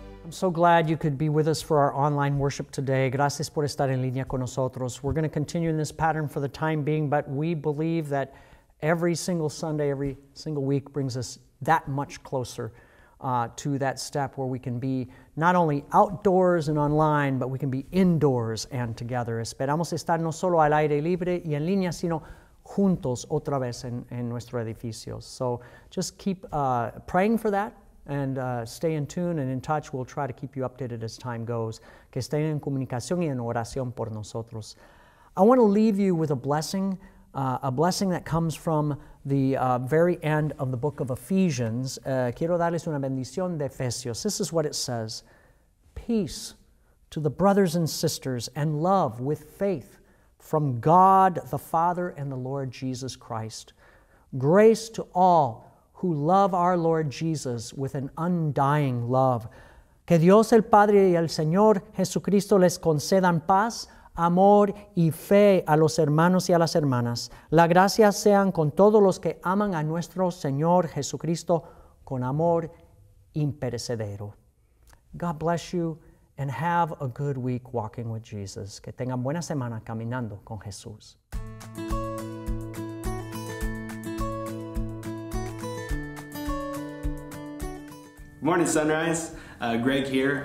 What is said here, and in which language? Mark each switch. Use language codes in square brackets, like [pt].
[en] so glad you could be with us for our online worship today. [es] Gracias por estar en línea con nosotros. [en] We're going to continue in this pattern for the time being, but we believe that every single Sunday, every single week brings us that much closer to that step where we can be not only outdoors and online, but we can be indoors and together. [es] Esperamos estar no solo al aire libre y en línea, sino juntos otra vez en nuestro edificio. [en] So just keep praying for that and stay in tune and in touch. We'll try to keep you updated as time goes. [es] Que estén en comunicación y en oración por nosotros. [en] I want to leave you with a blessing that comes from the very end of the book of Ephesians. [es] Quiero darles una bendición de Efesios. [en] This is what it says. Peace to the brothers and sisters and love with faith from God the Father and the Lord Jesus Christ. Grace to all who love our Lord Jesus with an undying love. [es] Que Dios el Padre y el Señor Jesucristo les concedan paz, amor y fe a los hermanos y a las hermanas. La gracia sean con todos los que aman a nuestro Señor Jesucristo con amor imperecedero. [en] God bless you and have a good week walking with Jesus. [es] Que tengan buena semana caminando con Jesús. [en] Morning, Sunrise. Greg here.